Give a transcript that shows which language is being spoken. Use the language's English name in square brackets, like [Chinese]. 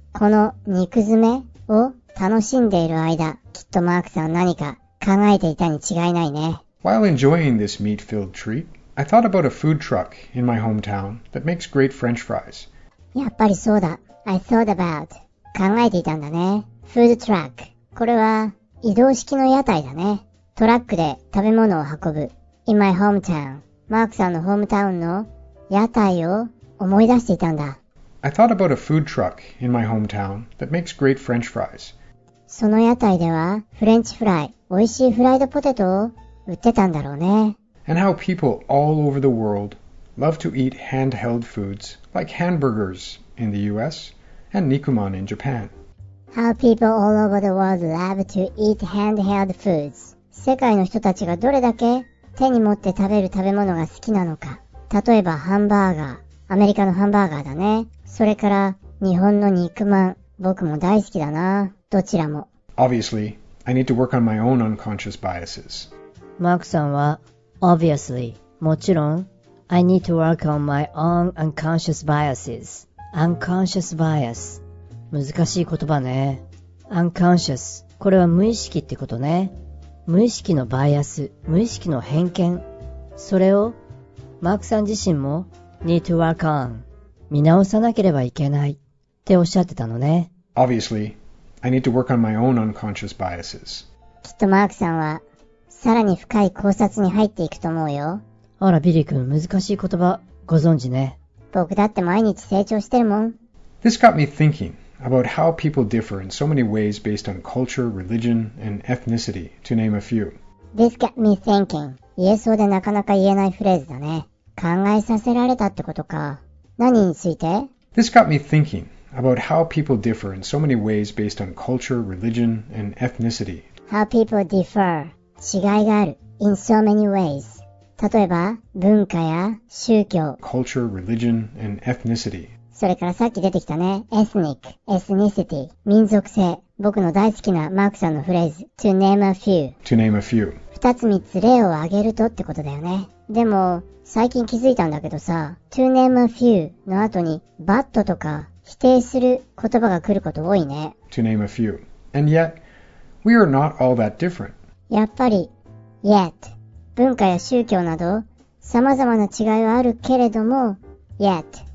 [Japanese] この肉詰めを楽しんでいる間、きっとマークさん何か考えていたに違いないね。 [English] While enjoying this meat-filled treat, I thought about a food truck in my hometown that makes great French fries. [Japanese] やっぱりそうだ。 [English] I thought about. [Japanese] 考えていたんだね。 [English] Food truck. [Japanese] これは移動式の屋台だね。トラックで食べ物を運ぶ。 [English] In my hometown. [Japanese] マークさんのホームタウンの屋台を思い出していたんだ。 [English] I thought about a food truck in my hometown that makes great French fries. [Japanese] その屋台ではフレンチフライ、おいしいフライドポテトを売ってたんだろうね。 [English] And how people all over the world love to eat handheld foods like hamburgers in the US and Nikuman in Japan. How people all over the world love to eat handheld foods. [Japanese] 世界の人たちがどれだけ手に持って食べる食べ物が好きなのか。例えばハンバーガー、アメリカのハンバーガーだね。それから日本の肉まん、僕も大好きだな。どちらも。 [English] Obviously, I need to work on my own unconscious biases. [Japanese] マークさんは、 [English] Obviously, [Japanese] もちろん、 [English] I need to work on my own unconscious biases. Unconscious bias. [Japanese] 難しい言葉ね。 [English] Unconscious. [Japanese] これは無意識ってことね。無意識のバイアス、無意識の偏見。それを、マークさん自身も、 [English] need to work on. [Japanese] 見直さなければいけない。っておっしゃってたのね。 [English] Obviously, I need to work on my own unconscious biases. [Japanese] きっとマークさんは、さらに深い考察に入っていくと思うよ。あら、ビリー君、難しい言葉、ご存知ね。僕だって毎日成長してるもん。 [English] This got me thinking about how people differ in so many ways based on culture, religion, and ethnicity, to name a few. This got me thinking. [Japanese] 言えそうでなかなか言えないフレーズだね。考えさせられたってことか。何について? [English] This got me thinking about how people differ in so many ways based on culture, religion, and ethnicity. How people differ. [Japanese] 違いがある。 [English] In so many ways. [Japanese] 例えば、文化や宗教。 [English] Culture, religion, and ethnicity. [Japanese] それからさっき出てきたね。 [English] Ethnic, ethnicity, 民族性。 [Japanese] 僕の大好きなマークさんのフレーズ。 [English] To name a few. To name a few. [Japanese] 二つ三つ例を挙げるとってことだよね。でも、最近気づいたんだけどさ、 [English] To name a few [Japanese] の後に、but とか否定する言葉が来ること多いね。 To name a few. [English] And yet, we are not all that different. [Japanese] やっぱり、yet. 文化や宗教など、様々な違いはあるけれども、yet.